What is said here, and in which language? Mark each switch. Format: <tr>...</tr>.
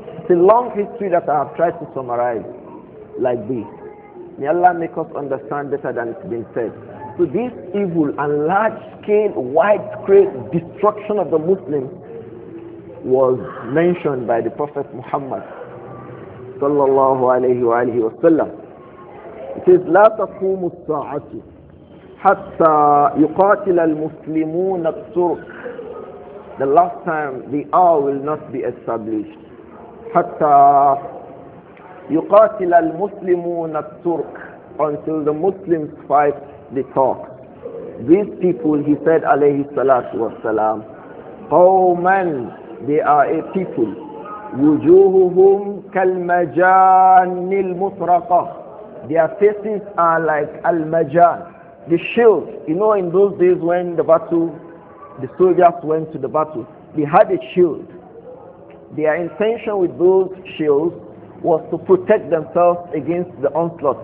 <en>It's a long history that I have tried to summarize like this. May Allah make us understand better than it's been said. to this evil and large-scale, widespread destruction of the Muslims was mentioned by the Prophet Muhammad sallallahu alayhi wa alayhi wa sallam. It says,</en> <ar>لا تقوم الساعة حتى يقاتل المسلمون الترك.</ar> <en>The last time, the hour will not be established.</en> <ar>حتى يقاتل المسلمون الترك.</ar> <en>Until the Muslims fight the Turks. These people, he said, alayhi salatu wa salam, قوماً, they are a people.</en> <ar>وجوههم كالمجان المطرقة.</ar> <en>Their faces are like al-majan, the shield. You know, in those days when the battle, the soldiers went to the battle, they had a shield. Their intention with those shields was to protect themselves against the onslaught.</en>